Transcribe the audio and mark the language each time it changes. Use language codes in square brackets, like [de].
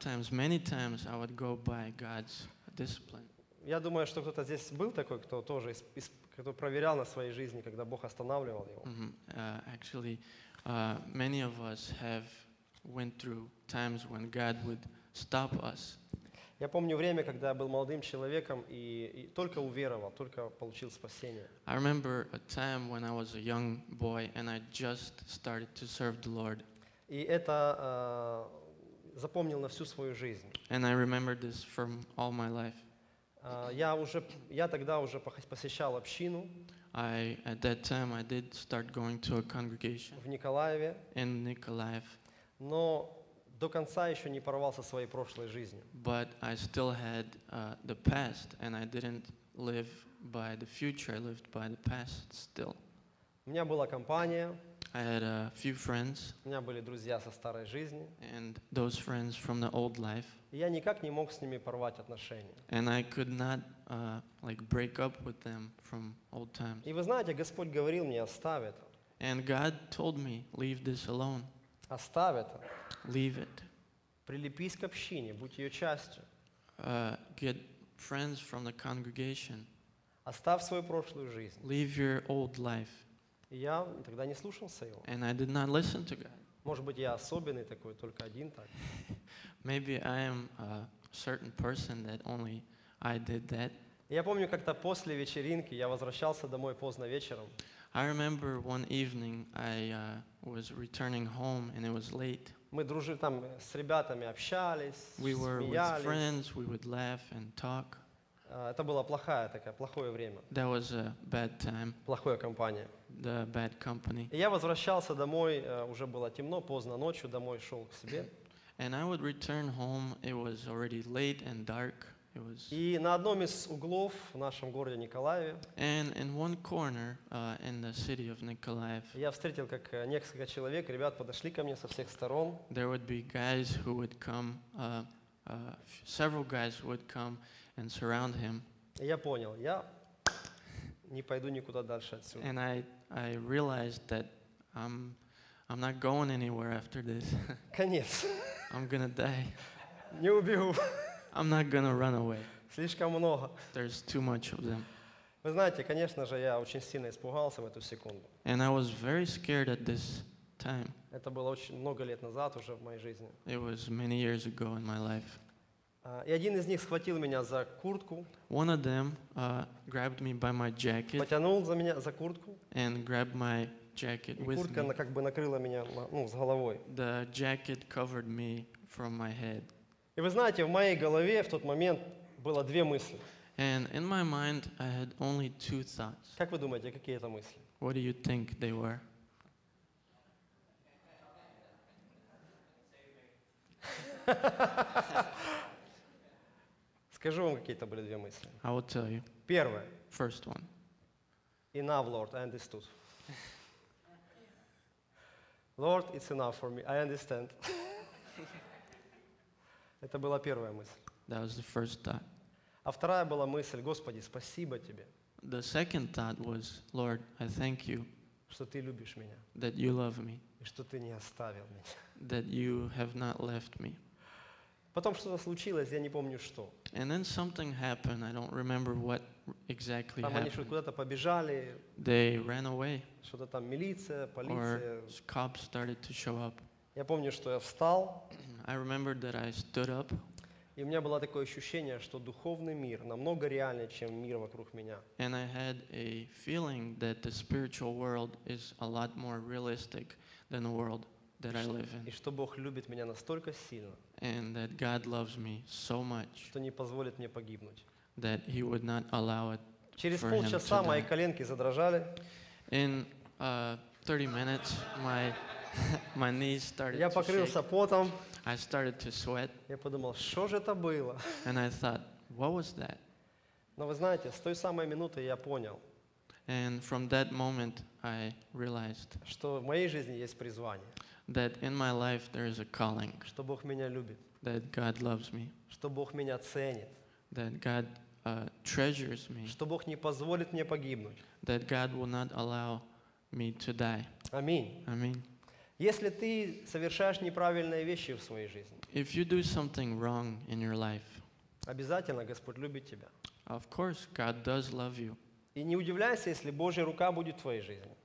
[en] Many times I would go by God's discipline. [ru] Я думаю, что кто-то здесь был такой, кто тоже кто проверял на своей жизни, когда Бог останавливал его. [en] Actually, many of us have went through times when God would stop us. [ru] Я помню время, когда я был молодым человеком и только уверовал, только получил спасение. [en] I remember a time when I was a young boy and I just started to serve the Lord. [ru] И это запомнил на всю свою жизнь. [en] And I remember this from all my life. [ru] Я тогда уже посещал общину. [en] I at that time I did start going to a congregation. [ru] В Николаеве. [en] In Nikolaev. [ru] Но до конца еще не порвался своей прошлой жизнью. [en] But I still had the past, and I didn't live by the future. I lived by the past still. [ru] У меня была компания. [en] I had a few friends. [ru] У меня были друзья со старой жизни. [en] And those friends from the old life. [ru] Я никак не мог с ними порвать отношения. [en] And I could not break up with them from old times. [ru] И вы знаете, Господь говорил мне, оставь это. [en] And God told me, leave this alone. [ru] Оставь это. [en] Leave it. [ru] Прилепись к общине, будь ее частью. [en] Get friends from the congregation. [ru] Оставь свою прошлую жизнь. [en] Leave your old life. [ru] Я тогда не слушался его. [en] And I did not listen to God. [ru] Может быть, я особенный такой, только один так. [en] Maybe I am a certain person that only I did that. [ru] Я помню, как-то после вечеринки я возвращался домой поздно вечером. [en] I remember one evening I was returning home and it was late. [ru] Мы дружили там с ребятами, общались, [en] we were [ru] смеялись. [en] With friends, we would laugh and talk. [ru] Это было плохое такое, плохое время. [en] That was a bad time. [ru] Плохая компания. [en] The bad company. [ru] Я возвращался домой, уже было темно, поздно ночью, домой шел к себе. [en] And I would return home, it was already late and dark. It was... [ru] И на одном из углов в нашем городе Николаеве. [en] And in one corner in the city of Nikolaev. [ru] Я встретил как несколько человек, ребят подошли ко мне со всех сторон. [en] There would be guys who would come, several guys would come and surround him. [ru] Я понял, я не пойду никуда дальше отсюда. [en] And I realized that I'm not going anywhere after this. [ru] Конец. [en] I'm gonna die. [ru] Не убегу. [en] I'm not gonna run away. [ru] Слишком много. [en] There's too much of them. [ru] Вы знаете, конечно же, я очень сильно испугался в эту секунду. [en] And I was very scared at this time. [ru] Это было очень много лет назад уже в моей жизни. [en] It was many years ago in my life. [ru] И один из них схватил меня за куртку. [en] One of them grabbed me by my jacket. [ru] Потянул за меня за куртку. [en] And grabbed my jacket with me. [ru] Куртка как бы накрыла меня, ну, с головой. [en] The jacket covered me from my head. [ru] И вы знаете, в моей голове в тот момент было две мысли. [en] And in my mind I had only two thoughts. [ru] Как вы думаете, какие это мысли? [en] What do you think they were? [ru] Скажу вам, какие это были две мысли. [en] I will tell you. [ru] Первое. [en] First one. Enough, Lord, I understood. Lord, it's enough for me. I understand. [ru] Это была первая мысль. [en] That was the first thought. [ru] А вторая была мысль: Господи, спасибо тебе. [en] The second thought was, Lord, I thank you. [ru] Что ты любишь меня. [en] That you love me. [ru] И что ты не оставил меня. [en] That you have not left me. [ru] Потом что-то случилось, я не помню что. [en] And then something happened. I don't remember what exactly happened. [ru] Там они что-то куда-то побежали. [en] They ran away. [ru] Что-то там милиция, полиция. [en] Or cops started to show up. [ru] Я помню, что я встал. [en] I remember that I stood up. [ru] И у меня было такое ощущение, что духовный мир намного реальнее, чем мир вокруг меня. [en] And I had a feeling that the spiritual world is a lot more realistic than the world that I live in. [ru] И что Бог любит меня настолько сильно. [en] And that God loves me so much. [ru] Что не позволит мне погибнуть. [en] That he would not allow it. [ru] Через полчаса мои коленки задрожали. [en] In 30 minutes my knees started [ru] Я покрылся потом. [en] I started to sweat. [ru] Я подумал, что же это было? [en] And I thought, what was that? [ru] Но вы знаете, с той самой минуты я понял. [en] And from that moment I realized. [ru] Что в моей жизни есть призвание. [en] That in my life there is a calling. [ru] Что Бог меня любит. [en] That God loves me. [ru] Что Бог меня ценит. [en] That God treasures me. [ru] Что Бог не позволит мне погибнуть. [en] That God will not allow me to die. [ru] Аминь. Аминь. Если ты совершаешь неправильные вещи в своей жизни, [en] if you do something wrong in your life, [ru] обязательно Господь любит тебя. [en] Of course, God does love you. [ru] И не удивляйся, если Божья рука будет в твоей жизни.